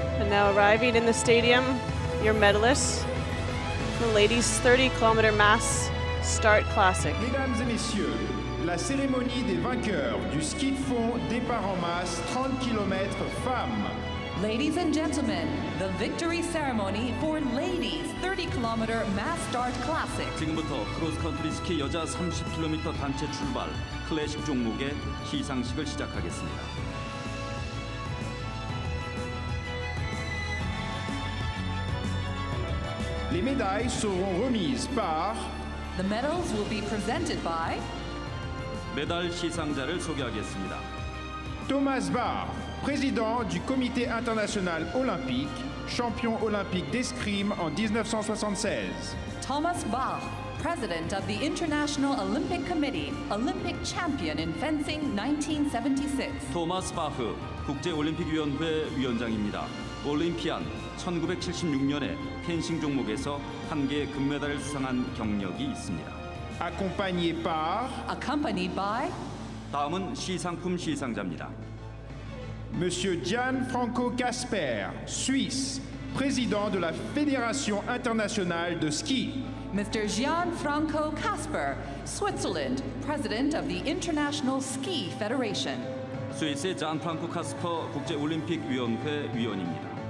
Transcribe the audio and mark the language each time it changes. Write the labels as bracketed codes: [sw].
[en] Now arriving in the stadium, your medalists, the ladies' 30-kilometer mass start classic. [fr] Mesdames et messieurs, la cérémonie des vainqueurs du ski de fond départ en masse 30 km femmes. [en] Ladies and gentlemen, the victory ceremony for ladies' 30-kilometer mass start classic. [ko] 지금부터 크로스컨트리 스키 여자 30km 단체 출발 클래식 종목의 시상식을 시작하겠습니다. [fr] Les médailles seront remises par [en] The medals will be presented by [ko] 메달 시상자를 소개하겠습니다. [fr] Thomas Barr, président du Comité international olympique, champion olympique d'escrime en 1976. [en] Thomas Barr, president of the International Olympic Committee, Olympic champion in fencing 1976. [ko] Thomas Barr, 국제 올림픽 위원회 위원장입니다. 올림피안 1976년에 펜싱 종목에서 한 개의 금메달을 수상한 경력이 있습니다. [en] Accompanied by [ko] 다음은 시상품 시상자입니다. [fr] Monsieur Gianfranco Casper, Suisse, président de la Fédération internationale de ski. [en] Mr. Gianfranco Casper, Switzerland, president of the International Ski Federation. [ko] 스위스의 잔프랑코 카스퍼 국제 올림픽 위원회 위원입니다.